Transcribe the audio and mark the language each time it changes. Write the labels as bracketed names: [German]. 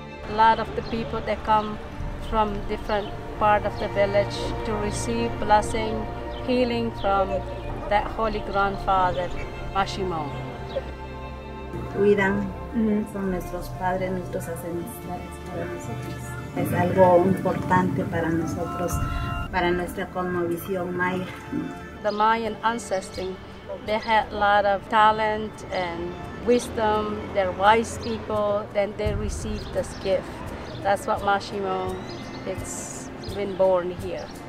[English] A lot of the people, they come from different part of the village to receive blessing, healing from that holy grandfather, Maximon. [Spanish] Cuidan, son nuestros padres, nuestros ancestrales para nosotros. Es algo importante para nosotros, para nuestra cosmovisión maya. [English] The Mayan ancestors, they had a lot of talent and wisdom. They're wise people. Then they received this gift. That's what Maximon, it's been born here.